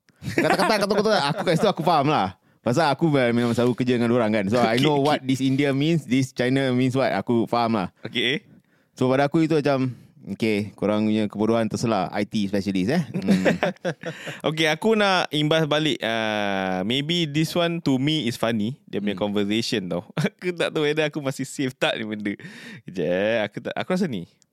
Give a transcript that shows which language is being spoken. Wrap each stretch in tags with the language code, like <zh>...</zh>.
<ms>Kata-kata, aku kat situ aku faham lah. Pasal aku memang selalu kerja dengan orang kan.</ms> <en>So, okay, I know okay. What this India means, this China means what.</en> <ms>Aku faham lah.</ms> <en>Okay.</en> <ms>So, pada aku itu macam, okay, korang punya kebodohan terselah.</ms> <en>IT specialist eh.</en> <ms>Okay, aku nak imbas balik.</ms> <en>Maybe this one to me is funny.</en> <ms>Dia punya conversation tau. Aku tak tahu whether aku masih safe tak ni benda. Sekejap, aku rasa ni.</ms>